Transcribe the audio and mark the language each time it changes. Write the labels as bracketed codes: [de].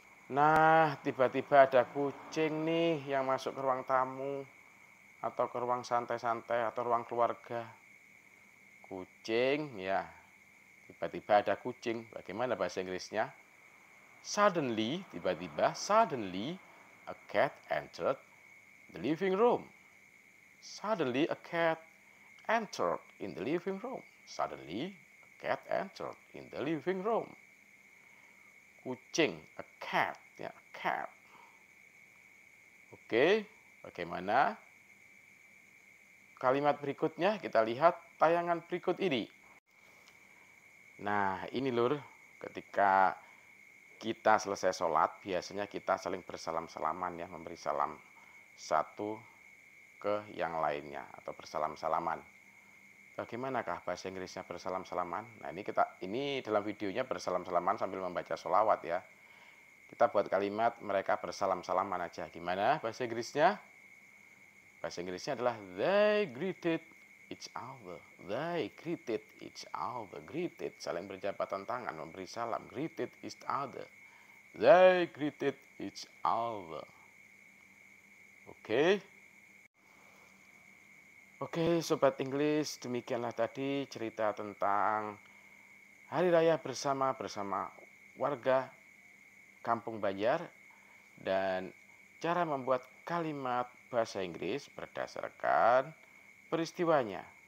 [id] Nah, tiba-tiba ada kucing nih yang masuk ke ruang tamu atau ke ruang santai-santai atau ruang keluarga. Kucing ya. Tiba-tiba ada kucing. Bagaimana bahasa Inggrisnya? [en] Suddenly, [id] tiba-tiba, [en] suddenly a cat entered the living room. Suddenly a cat entered in the living room. Suddenly a cat entered in the living room. [id] Kucing, [en] a cat, [id] ya, a cat. Oke, bagaimana? Kalimat berikutnya kita lihat tayangan berikut ini. Nah, ini lur, ketika kita selesai sholat, biasanya kita saling bersalam-salaman ya, memberi salam satu ke yang lainnya atau bersalam-salaman. Bagaimanakah bahasa Inggrisnya bersalam-salaman? Nah, ini dalam videonya bersalam-salaman sambil membaca sholawat ya. Kita buat kalimat mereka bersalam-salaman aja. Gimana bahasa Inggrisnya? Bahasa Inggrisnya adalah [en] they greeted each other. They greeted each other. Greeted, [id] saling berjabatan tangan, memberi salam. [en] Greeted each other. They greeted each other. [id] Oke. Oke, Sobat Inggris, demikianlah tadi cerita tentang hari raya bersama warga Kampung Banjar dan cara membuat kalimat bahasa Inggris berdasarkan peristiwanya.